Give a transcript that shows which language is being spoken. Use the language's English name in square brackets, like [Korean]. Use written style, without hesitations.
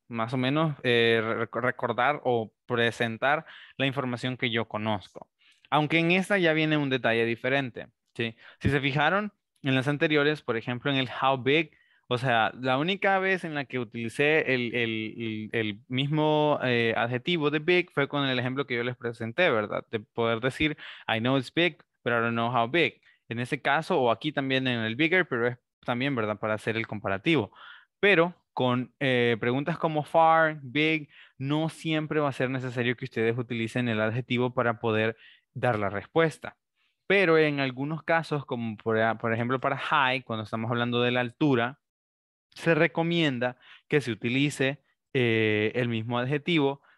[Spanish] Más o menos recordar o presentar la información que yo conozco. Aunque en esta ya viene un detalle diferente, ¿sí? Si se fijaron en las anteriores, por ejemplo, en el how big, o sea, la única vez en la que utilicé el mismo adjetivo de big fue con el ejemplo que yo les presenté, ¿verdad? De poder decir, [English] I know it's big, but I don't know how big. [Spanish] En ese caso, o aquí también en el bigger, pero es también, ¿verdad? Para hacer el comparativo. Pero con preguntas como far, big, no siempre va a ser necesario que ustedes utilicen el adjetivo para poder dar la respuesta. Pero en algunos casos, como por ejemplo para high, cuando estamos hablando de la altura, se recomienda que se utilice el mismo adjetivo,